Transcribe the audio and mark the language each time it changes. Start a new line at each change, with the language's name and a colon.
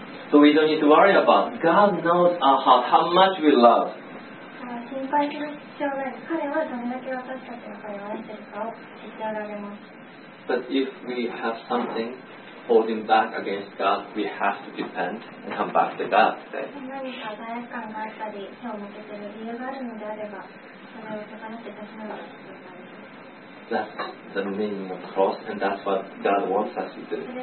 English: So we don't need to worry about. God knows our heart, how much we love.
Japanese: 心配する必要ない。彼はどれだけ私たちが彼を愛しているかを知っておられます。
English: But if we have something holding back against God, we have to repent and come back to God today.
Japanese: 何か罪悪感があったり、手を向けている理由があるのであれば、それを手放して立ち直る。
English: That's the meaning of cross, and that's what God wants us to do.